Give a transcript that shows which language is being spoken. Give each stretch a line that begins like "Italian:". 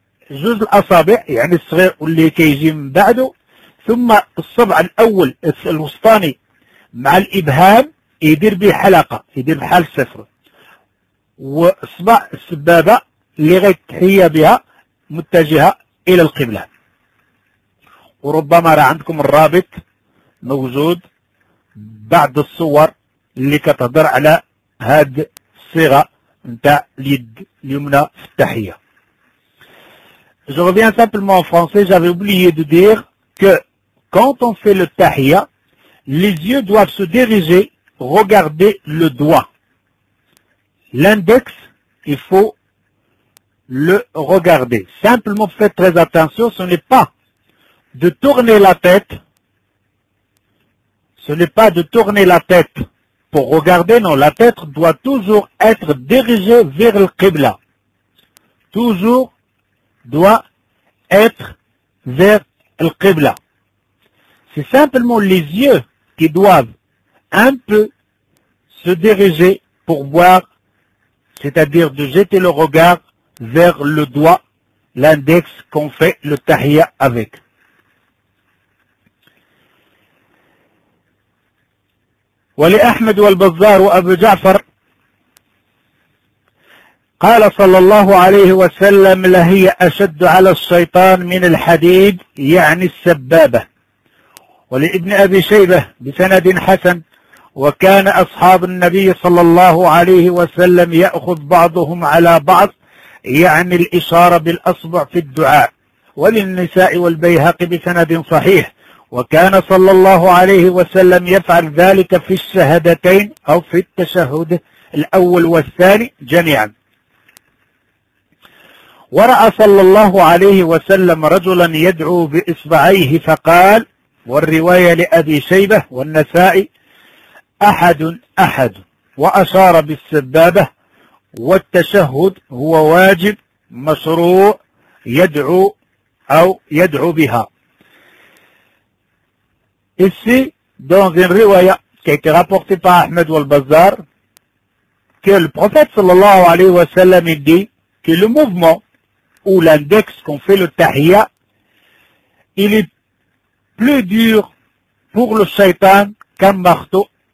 Arabic: جزء الأصابع يعني الصغير واللي كيجي من بعده ثم الصبع الأول الوسطاني مع الإبهام يدير به حلقة يدير بحال صفر وصبع السبابة اللي غيتحيا بها متجهة إلى القبلة وربما راه عندكم الرابط موجود بعض الصور اللي كتهضر على هاد الصيغه نتاع اليد اليمنى في التحيه.
French: Je reviens simplement en français, j'avais oublié de dire que quand on fait le tahiyya, les yeux doivent se diriger, regarder le doigt. L'index, il faut le regarder. Simplement faites très attention, ce n'est pas de tourner la tête. Ce n'est pas de tourner la tête pour regarder, non, la tête doit toujours être dirigée vers le Qibla. Toujours doit être vers le Qibla. C'est simplement les yeux qui doivent un peu se diriger pour voir, c'est-à-dire de jeter le regard vers le doigt, l'index qu'on fait le tahiyya avec.
Arabic: ولي أحمد والبزار وأبو جعفر قال صلى الله عليه وسلم لهي أشد على الشيطان من الحديد يعني السبابة ولابن أبي شيبة بسند حسن وكان أصحاب النبي صلى الله عليه وسلم يأخذ بعضهم على بعض يعني الإشارة بالأصبع في الدعاء وللنساء والبيهقي بسند صحيح وكان صلى الله عليه وسلم يفعل ذلك في الشهادتين أو في التشهد الأول والثاني جميعا ورأى صلى الله عليه وسلم رجلا يدعو بإصبعيه فقال والرواية لأبي شيبة والنسائي أحد أحد وأشار بالسبابة والتشهد هو واجب مشروع يدعو أو يدعو بها.
French: Ici, dans une riwaya qui a été rapportée par Ahmed Walbazar, que le prophète sallallahu alayhi wa sallam dit que le mouvement ou l'index qu'on fait le tahiyya, il est plus dur pour le shaitan qu'un marteau.